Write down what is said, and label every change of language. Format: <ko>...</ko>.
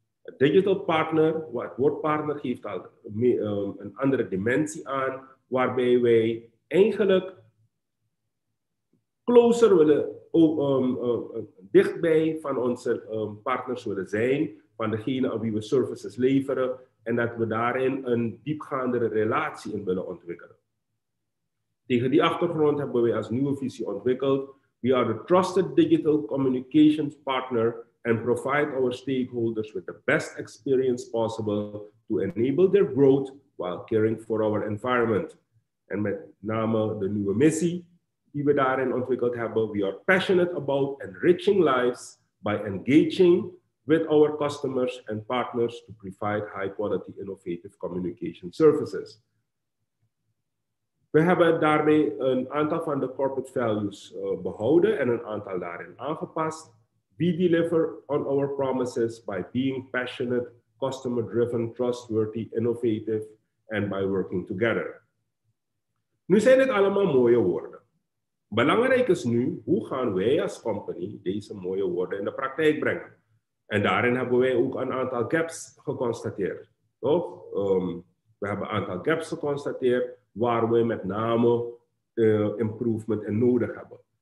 <nl>Een digital partner, het woord partner geeft al een andere dimensie aan, waarbij wij eigenlijk closer willen, dichtbij van onze partners willen zijn, van degene aan wie we services leveren, en dat we daarin een diepgaandere relatie in willen ontwikkelen. Tegen die achtergrond hebben wij als nieuwe visie ontwikkeld.</nl> <en>We are the trusted digital communications partner and provide our stakeholders with the best experience possible to enable their growth while caring for our environment.</en> <nl>En met name de nieuwe missie die we daarin ontwikkeld hebben.</nl> <en>We are passionate about enriching lives by engaging with our customers and partners to provide high quality innovative communication services.</en> <nl>We hebben daarmee een aantal van de corporate values behouden en een aantal daarin aangepast.</nl> <en>We deliver on our promises by being passionate, customer-driven, trustworthy, innovative, and by working together.</en> <nl>Nu zijn het allemaal mooie woorden. Belangrijk is nu, hoe gaan wij als company deze mooie woorden in de praktijk brengen? En daarin hebben wij ook een aantal gaps geconstateerd. Toch? We hebben een aantal gaps geconstateerd waar we met name improvement in nodig hebben.</nl>